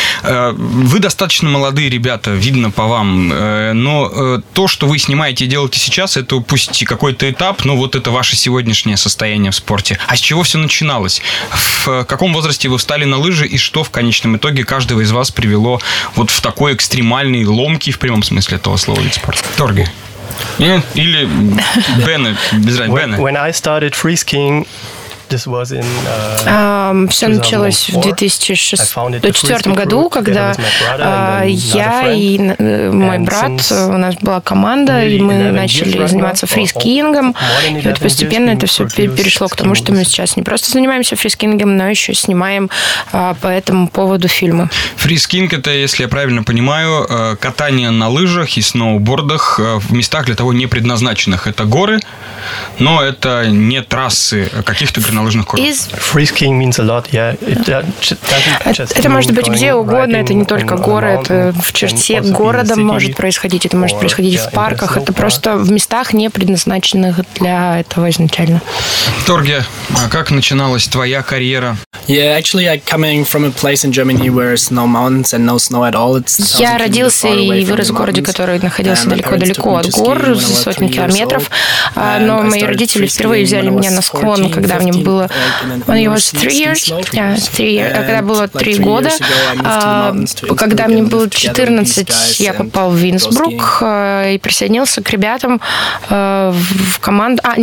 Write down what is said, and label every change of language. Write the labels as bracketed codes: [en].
[ru] Вы достаточно молодые ребята, видно по вам, но то, что вы снимаете и делаете сейчас, это пусть какой-то этап, но вот это ваше сегодняшнее состояние в спорте. А с чего все начиналось? В каком возрасте вы встали на лыжи и что в конечном итоге каждого из вас привело вот в такой экстремальный, ломкий в прямом смысле этого слова вид спорта? Торги. Или Бене, без разницы. Бене. [en] When I started free skiing, this was in, [ru] все началось в 2004 году, когда я и мой брат, у нас была команда, и мы начали заниматься фрискингом. И вот постепенно это все перешло к тому, что мы сейчас не просто занимаемся фрискингом, но еще снимаем по этому поводу фильмы. Фрискинг – это, если я правильно понимаю, катание на лыжах и сноубордах в местах для того не предназначенных. Это горы, но это не трассы каких-то границ. [en] Фрискинг means a lot, yeah. [ru] Это может быть где угодно, это не только горы, это в черте города может происходить, это может происходить в парках, это просто в местах, не предназначенных для этого изначально. Торге, а как начиналась твоя карьера? [en] Yeah, actually, I'm coming from a place in Germany where there's no mountains and no snow at all. [ru] Я родился и вырос в городе, который находился далеко-далеко от гор, за сотни километров. Но мои родители впервые взяли меня на склон, когда мне было... Когда было 3 года, когда мне было 14, я попал в Винсбрук и присоединился к ребятам в команду...